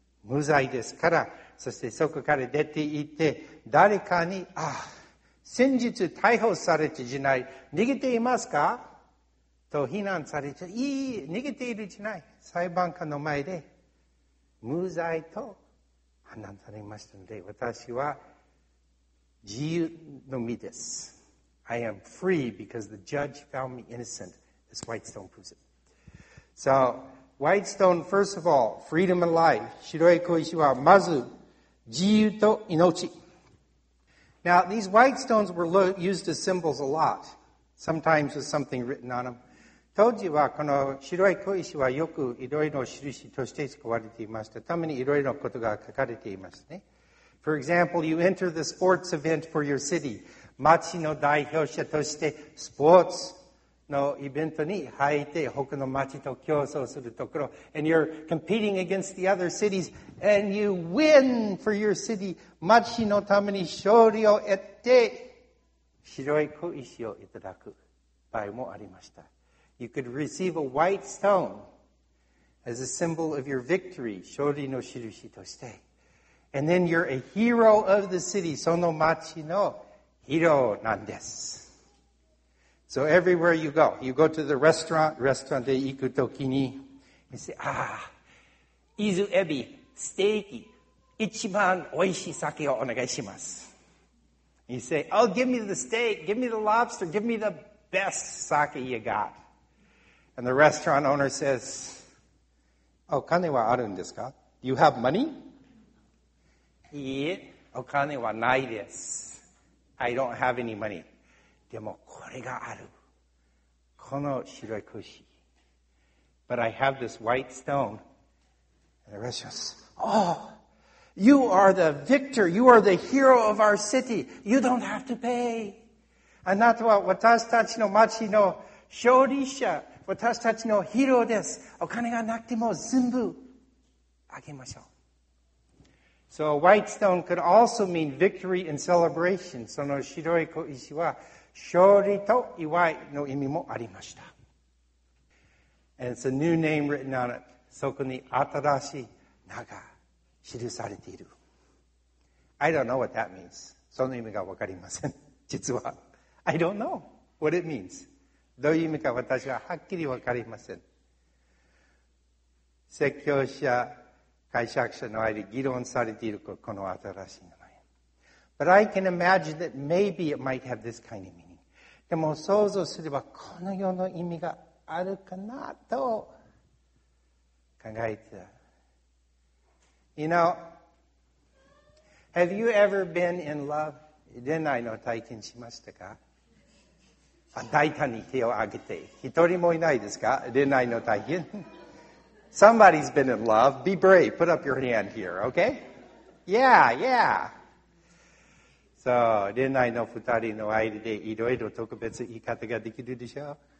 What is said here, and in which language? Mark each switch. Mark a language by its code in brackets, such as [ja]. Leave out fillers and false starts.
[ja] 無罪ですから、そしてそこから出て行って、誰かに、ああ、先日逮捕されてじゃない、逃げていますかと非難されて、いい、逃げているじゃない。裁判官の前で、無罪と判断されましたので、私は自由の身です。 [en] I am free because the judge found me innocent. This white stone proves it. So,White stone, first of all, freedom and life. [ja] 白い小石はまず自由と命。 [en] Now, these white stones were used as symbols a lot, sometimes with something written on them. [ja] 当時はこの白い小石はよくいろいろ印として使われていました。ためにいろいろことが書かれていますね。 [en] For example, you enter the sports event for your city. [ja] 町の代表者としてスポーツ。のイベントに入って他の町と競争するところ [en] and you're competing against the other cities and you win for your city [ja] 町のために勝利を得て白い小石をいただく場合もありました [en] You could receive a white stone as a symbol of your victory [ja] 勝利の印として [en] and then you're a hero of the city [ja] その町のヒーローなんです [en] So everywhere you go to the restaurant, restaurant [ja] で行くときに、 [en] you say, ah, Izu Ebi, steak, [ja] 一番おいしい酒をお願いします。 [en] You say, oh, give me the steak, give me the lobster, give me the best sake you got. And the restaurant owner says, [ja] お金はあるんですか? [en] Do you have money? [ja] いいえ、お金はないです。 [en] I don't have any money. [ja] でもこれがある。この白い小石。 [en] But I have this white stone. And the rest says, Oh, you are the victor. You are the hero of our city. You don't have to pay. [ja] あなたは私たちの町の勝利者。私たちのヒーローです。お金がなくても全部あげましょう。 [en] So a white stone could also mean victory and celebration. [ja] その白い小石は勝利と祝いの意味もありました。 [en] And it's a new name written on it. [ja] そこに新しい名が記されている。 [en] I don't know what that means. [ja] その意味がわかりません。実は。 [en] I don't know what it means. [ja] どういう意味か私ははっきりわかりません。説教者、解釈者の間で議論されているこの新しい名前。 [en] But I can imagine that maybe it might have this kind of meaning. [ja] でも想像すればこのような意味があるかなと考えてた。 [en] You know, have you ever been in love? [ja] 恋愛の体験しましたか? あ、大胆に手を挙げて。一人もいないですか?恋愛の体験。 [en] Somebody's been in love. Be brave. Put up your hand here, okay? Yeah, yeah. [ja] So, 恋愛の二人の間でいろいろ特別言い方ができるでしょう。